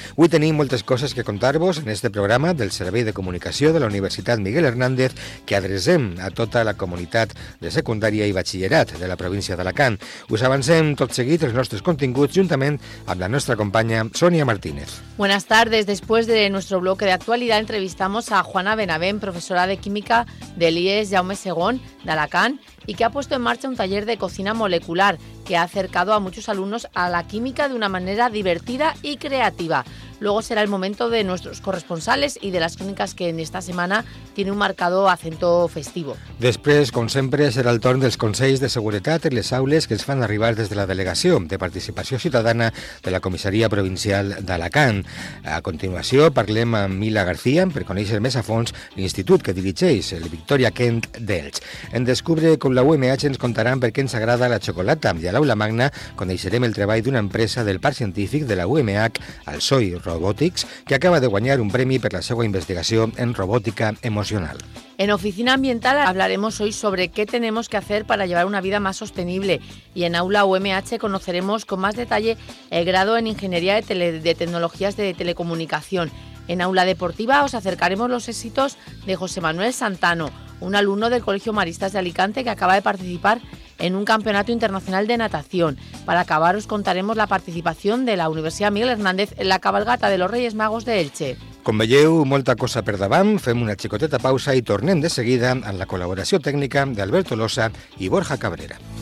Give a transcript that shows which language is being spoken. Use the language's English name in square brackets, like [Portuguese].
[Catalan] Avui tenim moltes coses que contar-vos en este programa del Servei de Comunicació de la Universitat Miguel Hernández que adrecem a tota la comunitat de secundària i batxillerat de la província d'Alacant. Us avancem tot seguit els nostres continguts juntament amb la nostra companya Sonia Martínez. [Spanish] Buenas tardes, después de nuestro bloque de actualidad entrevistamos a Juana Benavent, profesora de química del IES Jaume Segón de Alacant y que ha puesto en marcha un taller de cocina molecular que ha acercado a muchos alumnos a la química de una manera divertida y creativa. Luego será el momento de nuestros corresponsales y de las crónicas que en esta semana tiene un marcado acento festivo. Después, como siempre, será el [Catalan] torn dels consells de seguretat en les aules que es fan arribar des de la delegació de participació ciutadana de la Comissaria Provincial d'Alacant. A continuació, parlem amb Mila García per conèixer més a fons l'institut que dirigeix, el Victoria Kent d'Elx. En descobre com la UMH ens contaran per què ens agrada la xocolata i a l'Aula Magna coneixerem el treball d'una empresa del Parc Científic de la UMH, el SOI Robotics, que acaba de guanyar un premi per la seva investigació en robòtica emocional. [Spanish] En Oficina Ambiental hablaremos hoy sobre qué tenemos que hacer para llevar una vida más sostenible y en Aula UMH conoceremos con más detalle el grado en Ingeniería de Tecnologías de Telecomunicación. En Aula Deportiva os acercaremos los éxitos de José Manuel Santano, un alumno del Colegio Maristas de Alicante que acaba de participar en un campeonato internacional de natación. Para acabar, os contaremos la participación de la Universidad Miguel Hernández en la cabalgata de los Reyes Magos de Elche. [Catalan] Com veieu, molta cosa per davant, fem una xicoteta pausa i tornem de seguida amb la col·laboració tècnica d'Alberto Losa i Borja Cabrera.